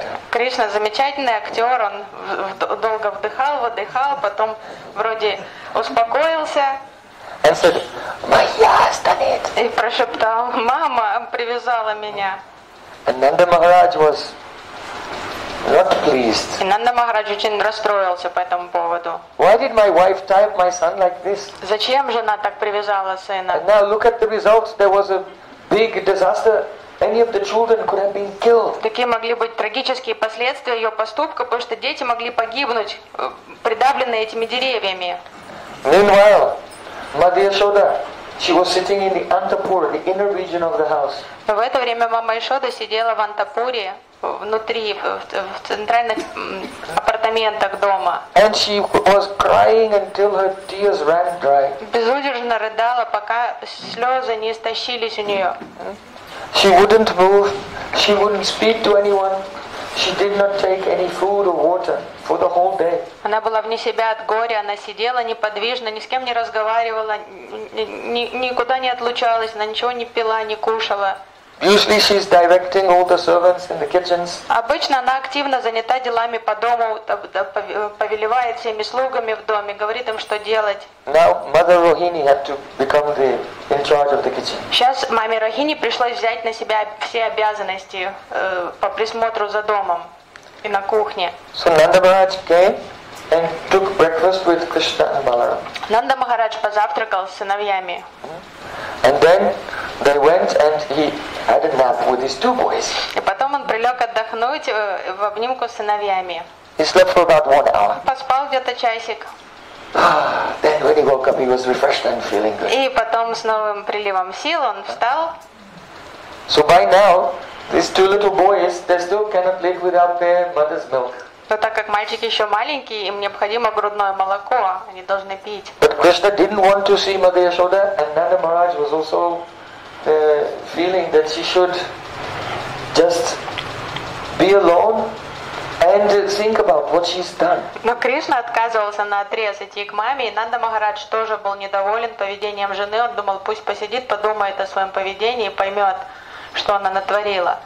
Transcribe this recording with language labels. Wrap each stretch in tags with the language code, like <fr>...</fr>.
<ru>Кришна замечательный актер, он долго вдыхал, выдыхал, потом вроде успокоился.</ru> <en>And said, Maya stanit.</en> <ru>И прошептал, мама привязала меня.</ru> <en>And Nanda Maharaj was not pleased.</en> <ru>И Нанда Махарадж очень расстроился по этому поводу.</ru> <en>Why did my wife tie my son like this?</en> <ru>Зачем жена так привязала сына?</ru> <en>And now look at the results, there was a big disaster. Any of the children could have been killed.</en> <ru>Такие могли быть трагические последствия ее поступка, потому что дети могли погибнуть, придавленные этими деревьями.</ru> <en>Meanwhile, Mother Yashoda, she was sitting in the Antapura, the inner region of the house.</en> <ru>В это время мама Яшода сидела в Антапуре, внутри, в центральных апартаментах дома.</ru> <en>And she was crying until her tears ran dry.</en> <ru>Безудержно рыдала, пока слезы не истощились у нее.</ru> <en>She wouldn't move, she wouldn't speak to anyone, she did not take any food or water for the whole day.</en> <ru>Она была вне себя от горя, она сидела неподвижно, ни с кем не разговаривала, никуда не отлучалась, она ничего не пила, не кушала.</ru> <en>Usually she's directing all the servants in the kitchens.</en> <ru>Обычно она активно занята делами по дому, повелевает всеми слугами в доме, говорит им, что делать.</ru> <en>Now Mother Rohini had to become the in charge of the kitchen.</en> <ru>Сейчас маме Рохини пришлось взять на себя все обязанности по присмотру за домом и на кухне.</ru> <en>So Nanda Maharaj came and took breakfast with Krishna and Balaram.</en> <ru>Нанда Махарадж позавтракал с сыновьями.</ru> <en>And then they went and he had a nap with his two boys.</en> <ru>И потом он прилег отдохнуть в обнимку с сыновьями.</ru> <en>He slept for about 1 hour.</en> <ru>Поспал где-то часик.</ru> <en>Then when he woke up, he was refreshed and feeling good.</en> <ru>И потом с новым приливом сил он встал.</ru> <en>So by now, these two little boys, they still cannot live without their mother's milk.</en> <ru>Но так как мальчик еще маленький, им необходимо грудное молоко, они должны пить.</ru> <en>But Krishna didn't want to see Mother Yashoda, and Nanda Maharaj was also feeling that she should just be alone and think about what she's done.</en> <ru>Но Кришна отказывался наотрез идти к маме, и Нанда Махарадж тоже был недоволен поведением жены. Он думал, пусть посидит, подумает о своем поведении и поймет, что она натворила.</ru>